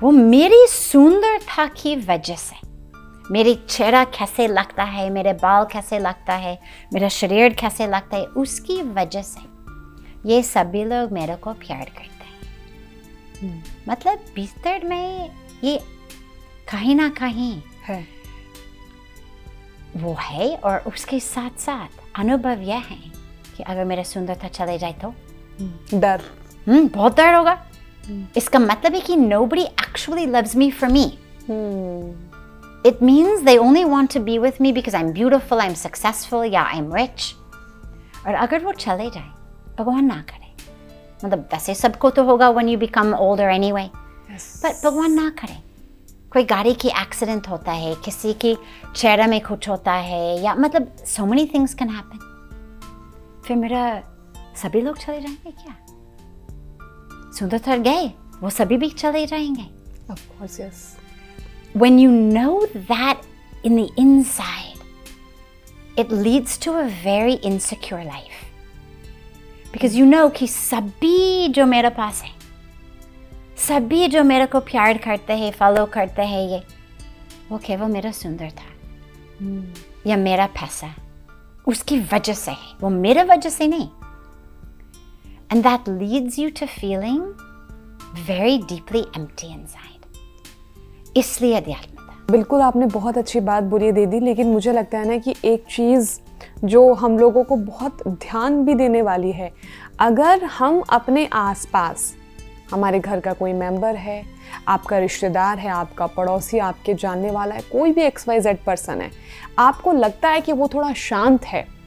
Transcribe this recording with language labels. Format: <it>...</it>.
<hi>वो मेरी सुंदरता की वजह से, मेरी चेहरा कैसे लगता है, मेरे बाल कैसे लगता है, मेरा शरीर कैसे लगता है, उसकी वजह से ये सभी लोग मेरे को प्यार करते हैं। मतलब भीतर में ये कहीं ना कहीं है, वो है। और उसके साथ साथ अनुभव यह है कि अगर मेरा सुंदरता चले जाए तो डर, बहुत डर होगा। इसका मतलब है कि</hi> <en>nobody actually loves me for me. It means they only want to be with me because I'm beautiful, I'm successful,</en> <hi>या</hi> <en>I'm rich.</en> <hi>और अगर वो चले जाए, भगवान ना करे, मतलब वैसे सबको तो होगा</hi> <en>when you become older anyway,</en> <hi>but भगवान ना करे, कोई गाड़ी की एक्सीडेंट होता है, किसी की चेहरे में कुछ होता है, या मतलब</hi> <en>so many things can happen.</en> <hi>फिर मेरा सभी लोग चले जाएंगे क्या? सुंदरतर गए, वो सभी भी चले जाएंगे।</hi> <en>Of course, yes. When you know that in the inside, it leads to a very insecure life. Because you know</en> <hi>कि सभी जो मेरे पास है, सभी जो मेरे को प्यार करते हैं, फॉलो करते हैं, ये वो केवल मेरा सुंदरता या मेरा पैसा, उसकी वजह से है, वो मेरे वजह से नहीं।</hi> <en>And that leads you to feeling very deeply empty inside.</en> <hi>इसलिए अध्यात्मता। बिल्कुल, आपने बहुत अच्छी बात बोली दीदी, लेकिन मुझे लगता है ना कि एक चीज जो हम लोगों को बहुत ध्यान भी देने वाली है, अगर हम अपने आसपास, हमारे घर का कोई मेंबर है, आपका रिश्तेदार है, आपका पड़ोसी, आपके जानने वाला है, कोई भी एक्स वाई जेड पर्सन है, आपको लगता है कि वो थोड़ा शांत है,</hi>